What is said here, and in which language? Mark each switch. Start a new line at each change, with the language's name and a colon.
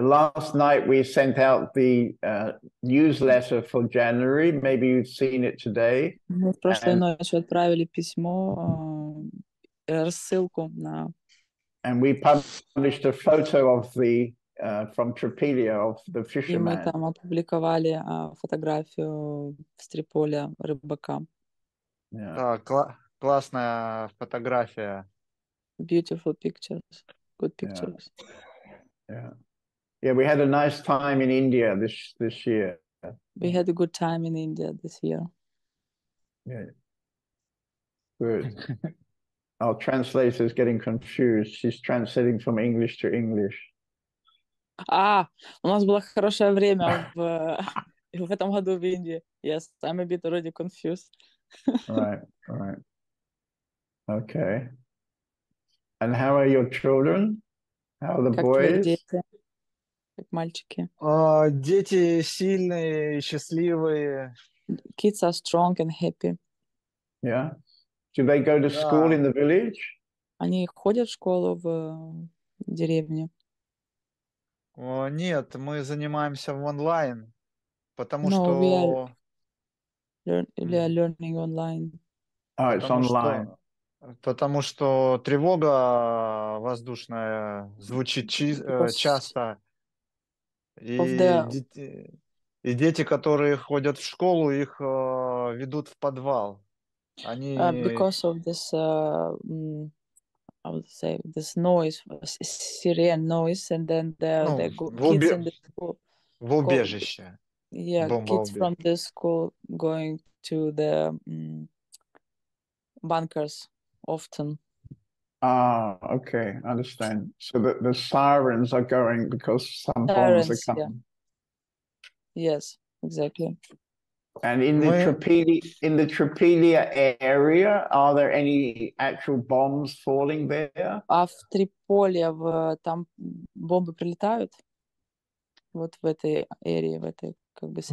English: Last night we sent out the newsletter for January. Maybe you've seen it today.
Russian: Мы прошлой ночью отправили письмо, рассылку на.
English: And we published a photo of the from Tripoli of the fisherman.
Russian: И мы там опубликовали фотографию с Триполя рыбака. Yeah. Классная фотография.
English: Beautiful pictures. Good pictures. Yeah. Yeah, we had a nice time in India this year. We had a good time in India this year. Yeah. Good. Our translator is getting confused. She's translating from English to English.
Russian: Ah, у нас было хорошее время в этом году в Индии.
English: Yes, I'm a bit already confused. All right. Okay. And how are your children? How are the boys?
Russian: Как мальчики. Дети сильные, счастливые.
English: Kids are strong and happy. Yeah. Do they go to school in the village?
Russian: Они ходят в школу в деревне. Нет, мы занимаемся в онлайн, потому что.
English: We are learning online. Oh, it's online.
Russian: Потому что тревога воздушная звучит часто. И дети, которые ходят в школу, их ведут в подвал. Они.
English: Because of this, I would say this noise, sirene noise, and then the kids in the school.
Russian: В убежище.
English: Yeah, kids from the school going to the bunkers often. Okay, I understand. So the sirens are going because some bombs are coming. Yes, exactly. And in the Tripoli area, are there any actual bombs falling there?
Russian: А в Триполи там бомбы прилетают? Вот в этой area, в этой как бы.